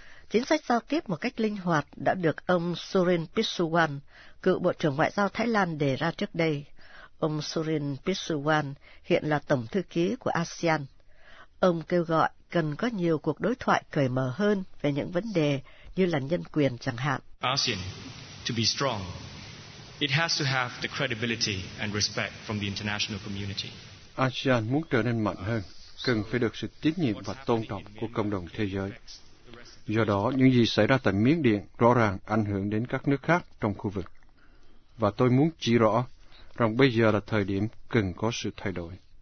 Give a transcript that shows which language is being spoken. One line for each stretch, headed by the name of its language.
Vietnamese: Chính sách giao tiếp một cách linh hoạt đã được ông Surin Pisuwan, cựu Bộ trưởng Ngoại giao Thái Lan đề ra trước đây. Ông Surin Pisuwan hiện là Tổng Thư ký của ASEAN. Ông kêu gọi cần có nhiều cuộc đối thoại cởi mở hơn về những vấn đề như là nhân quyền chẳng hạn.
English: ASEAN, to be strong, It has to have the credibility and respect from the international community.
Vietnamese: ASEAN muốn trở nên mạnh hơn, cần phải được sự tín nhiệm và tôn trọng của cộng đồng thế giới. Do đó, những gì xảy ra tại Miến Điện rõ ràng ảnh hưởng đến các nước khác trong khu vực. Và tôi muốn chỉ rõ rằng bây giờ là thời điểm cần có sự thay đổi.